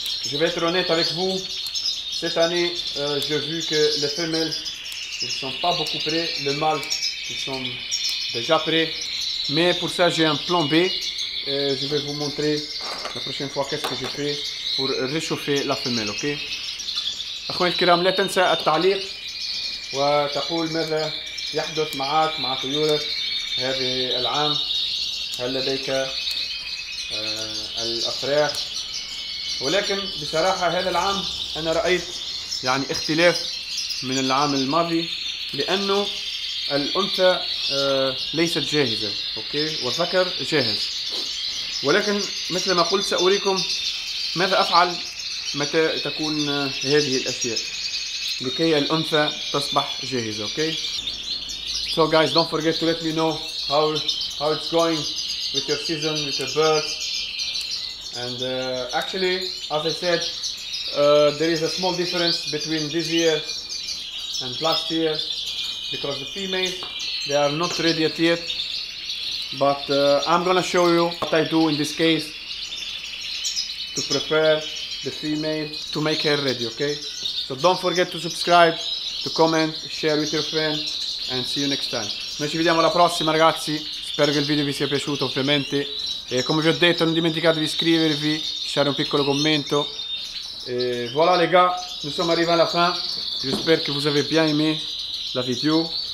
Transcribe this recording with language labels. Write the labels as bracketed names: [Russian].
[French] Je vais être honnête avec vous, cette année j'ai vu que les femelles ne sont pas beaucoup prêtes, les mâles ils sont déjà prêts, mais pour ça j'ai un plan B et je vais vous montrer la prochaine fois qu'est-ce que je fais pour réchauffer la femelle, ok? [Arabic] اخوان الكرام لا تنسى التعليق وتقول ماذا يحدث معك مع طيورك هذا العام, هل لديك الافراح؟ ولكن بصراحه هذا العام انا رايت يعني اختلاف من العام الماضي لانه الانثى ليست جاهزه اوكي والذكر جاهز, ولكن مثل ما قلت ساريكم ماذا افعل متى تكون هذه الاشياء لكي الانثى تصبح جاهزه اوكي. [English] So guys don't forget to let me know how it's going with your season with your birds. And actually, as I said, there is a small difference between this year and last year because the females, they are not ready yet. But I'm gonna show you what I do in this case to prepare the female to make her ready, okay? So don't forget to subscribe, to comment, share with your friends, and see you next time. [Italian] Noi ci vediamo alla prossima, ragazzi. Spero che il video vi sia piaciuto, ovviamente. E come vi ho detto non dimenticate di iscrivervi, lasciare un piccolo commento. [French] E voilà les gars, nous sommes arrivés à la fin. J'espère que vous avez bien aimé la vidéo.